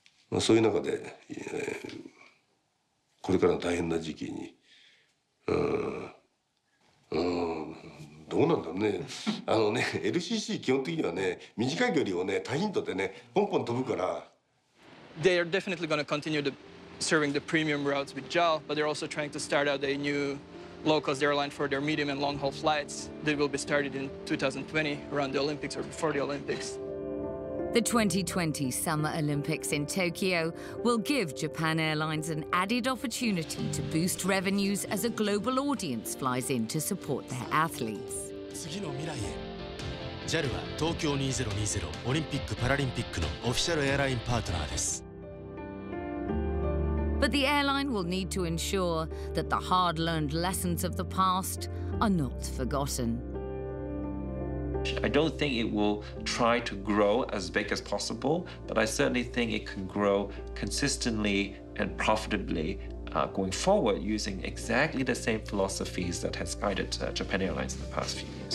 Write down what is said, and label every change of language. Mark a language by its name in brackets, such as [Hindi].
[Japanese] まあ、そういう中で、これから大変な時期に、どうなんだろうね。あのね、LCC 基本的にはね、短い距離をね、多頻度でね、ポンポン飛ぶから。 [English] They are definitely going to continue the, serving the premium routes with JAL, but they're also trying to start out a new low-cost airline for their medium and long-haul flights that will be started in 2020 around the Olympics or before the Olympics. The 2020 Summer Olympics in Tokyo will give Japan Airlines an added opportunity to boost revenues as a global audience flies in to support their athletes. [Japanese] 次の未来へ。 JAL は東京2020オリンピック・パラリンピックのオフィシャルエアラインパートナーです。 [English] But the airline will need to ensure that the hard-learned lessons of the past are not forgotten. I don't think it will try to grow as big as possible, but I certainly think it can grow consistently and profitably going forward using exactly the same philosophies that has guided Japan Airlines in the past few years.